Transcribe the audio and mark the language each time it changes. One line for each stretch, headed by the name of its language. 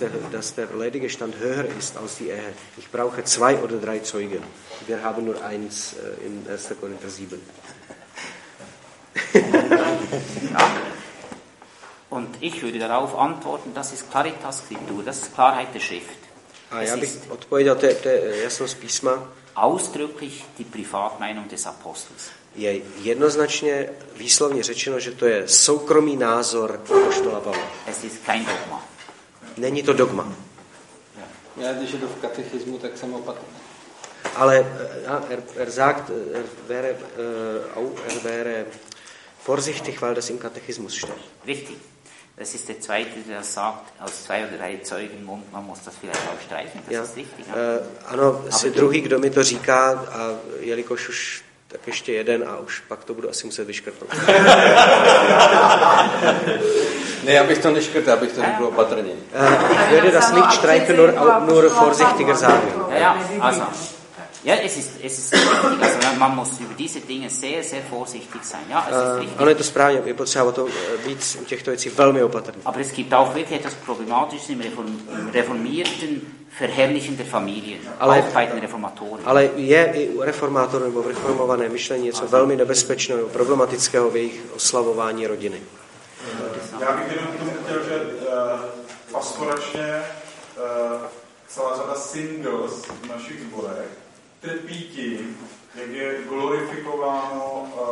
German: Dass der ledige Stand höher ist als die Ehe. Ich brauche zwei oder drei Zeugen. Wir haben nur eins in 1. Korinther 7. Ja. Und ich würde darauf antworten, das ist Claritas Scriptura, das ist Klarheit der Schrift.
Czech: A já bych odpověděl, to je jasnost písma.
German: Ausdrücklich die Privatmeinung des Apostels.
Czech: Je jednoznačně výslovně řečeno, že to je soukromý názor apoštola Pavla.
German: Es ist kein Dogma.
Czech: Není to dogma. Já když jdu v katechismu, tak jsem opatrný.
German: Ale er wäre vorsichtig, weil das im Katechismus steht. Richtig. Das ist der zweite, der sagt, aus zwei oder drei Zeugen Mund, man muss das vielleicht auch streichen. Das ja. Ist richtig.
Czech: Ano, jsi druhý, kdo mi to říká, a jelikož už tak ještě jeden a už pak to budu asi muset vyškrtnout. Ne, já bych to neškrtl, abych to řekl opatrně.
German: Jede das nicht streichen, nur vorsichtiger sagen. Ja, also. Ja, es ist man muss über diese Dinge sehr, sehr vorsichtig sein. Ja,
Czech: ale je to správně, je potřeba to víc u těchto věcí velmi opatrný.
German: Aber es gibt auch wirklich etwas Problematisches im reformierten Verherrlichen der Familie, auch bei den Reformatoren.
Czech: Ale je i u reformátorů nebo v reformovaném myšlení něco velmi nebezpečného, problematického v jejich oslavování rodiny. Já bych jenom k tomu chtěl, že pastoračně celá řada singles v našich zborech trpí tím, jak je glorifikováno